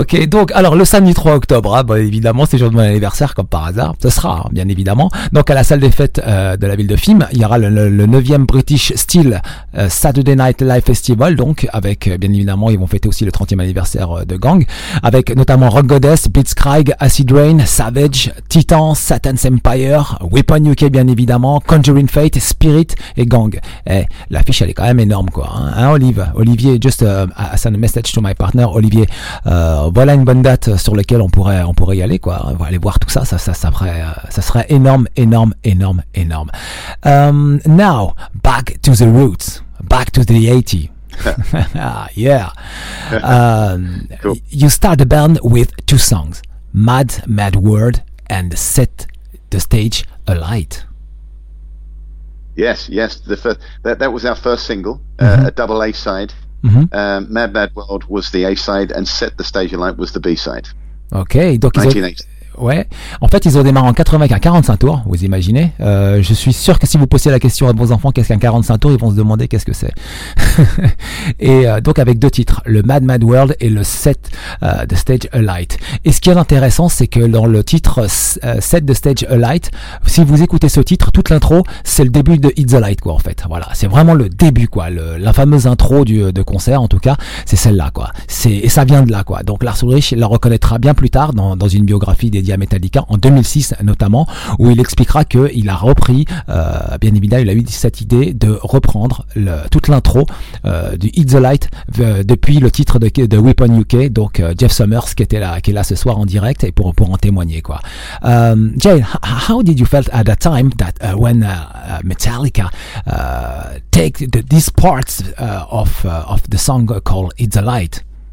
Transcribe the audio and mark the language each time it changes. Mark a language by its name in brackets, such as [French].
[French] Donc alors le samedi 3 octobre, hein, bah, évidemment c'est le jour de mon anniversaire comme par hasard, ce sera, hein, bien évidemment, donc à la salle des fêtes de la ville de Fismes, il y aura le 9e British Steel Saturday Night Live Festival, donc avec bien évidemment ils vont fêter aussi le 30e anniversaire de Gang, avec notamment Rock Goddess, Blitzkrieg, Acid Rain, Savage, Titan, Satan's Empire, Weapon UK bien évidemment, Conjuring Fate, Spirit et Gang. Et l'affiche elle est quand même énorme, quoi, hein, Olivier, [English] just a message to my partner Olivier. [French] Voilà une bonne date sur laquelle on pourrait y aller quoi. On va aller voir tout ça. Ça serait énorme. [English] Now back to the roots, back to the 80s. Yeah. Cool. You start the band with two songs, Mad Mad World and Set the Stage Alight. Yes, the first, that was our first single, mm-hmm. a double A side. Mm-hmm. Mad Mad World was the A side and Set the Stage Alight was the B side. [French] Okay, donc 1980. Ouais. En fait, ils ont démarré en 80 avec un 45 tours, vous imaginez. Je suis sûr que si vous posez la question à vos enfants qu'est-ce qu'un 45 tours, ils vont se demander qu'est-ce que c'est. Et donc avec deux titres, le Mad Mad World et le Set the Stage Alight. Et ce qui est intéressant, c'est que dans le titre Set the Stage Alight, si vous écoutez ce titre, toute l'intro, c'est le début de Hit the Light quoi en fait. Voilà, c'est vraiment le début quoi, la fameuse intro de concert en tout cas, c'est celle-là quoi. Et ça vient de là quoi. Donc Lars Ulrich la reconnaîtra bien plus tard dans une biographie dédié à Metallica en 2006 notamment, où il expliquera qu'il a repris, bien évidemment, il a eu cette idée de reprendre toute l'intro du Hit the Light depuis le titre de Weapon UK, donc Jeff Summers qui est là ce soir en direct et pour en témoigner quoi. [English] Jane, how did you felt at that time that when Metallica take these parts of the song called Hit the Light?